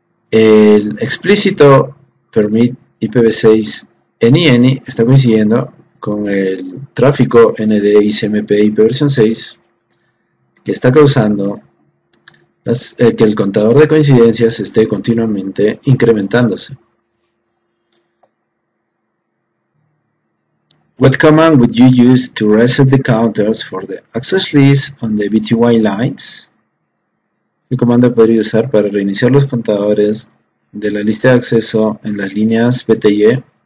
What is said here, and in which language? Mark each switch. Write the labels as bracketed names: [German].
[Spanish] El explícito permit IPv6 NINI está coincidiendo con el tráfico ND ICMP IPv6 que está causando que el contador de coincidencias esté continuamente incrementándose. [English] What command would you use to reset the counters for the access list on the BTY lines? [Spanish] ¿Qué comando podría usar para reiniciar los contadores de la lista de acceso en las líneas BTE?